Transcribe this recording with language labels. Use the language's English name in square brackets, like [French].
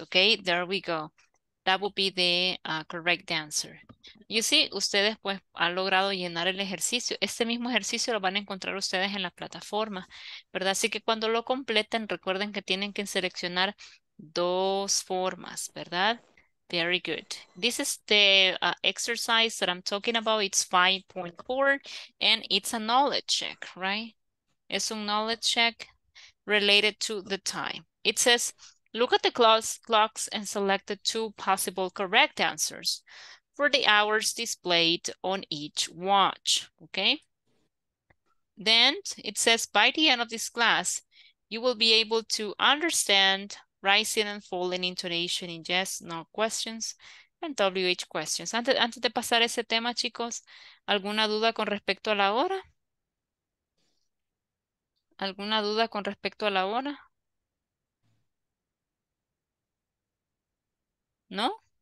[English] Okay, there we go. That would be the correct answer. You see, [Spanish] ustedes pues han logrado llenar el ejercicio. Este mismo ejercicio lo van a encontrar ustedes en la plataforma, ¿verdad? Así que cuando lo completen, recuerden que tienen que seleccionar dos formas, ¿verdad? [English] Very good. This is the exercise that I'm talking about. It's 5.4 and it's a knowledge check, right? It's a knowledge check related to the time. It says, look at the clocks and select the two possible correct answers for the hours displayed on each watch, okay? Then it says, by the end of this class, you will be able to understand rising and falling intonation in yes, no questions, and WH questions. [Spanish] Antes de pasar ese tema, chicos, ¿alguna duda con respecto a la hora? ¿Alguna duda con respecto a la hora? ¿No?